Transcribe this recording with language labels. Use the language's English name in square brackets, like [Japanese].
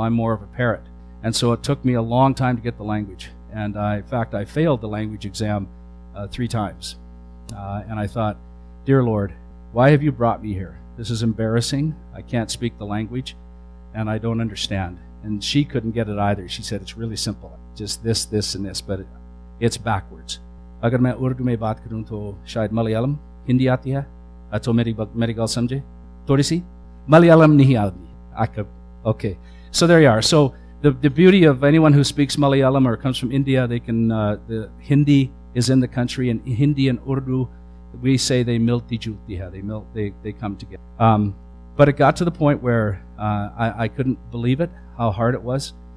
[English] I'm more of a parrot, and so it took me a long time to get the language, and in fact, I failed the language exam three times. And I thought, dear Lord, why have you brought me here? This is embarrassing. I can't speak the language, and I don't understand. And she couldn't get it either. She said, it's really simple. Just this, this, and this, but it's backwards. [Urdu] اگر میں اردو میں بات کروں تو شاید ملیالم، ہندی آتی ہے۔ [Punjabi] ਅਤੋ ਮੇਰੀ ਗੱਲ ਸਮਝੇ। [Urdu] تھوڑی سی؟ ملیالم نہیں آتی۔ [English] Okay. So there you are. So the beauty of anyone who speaks Malayalam or comes from India, they can, the Hindi is in the country, and Hindi and Urdu, we say they [Urdu] milti julti hai. [English] They come together. But it got to the point where I couldn't believe it, how hard it was.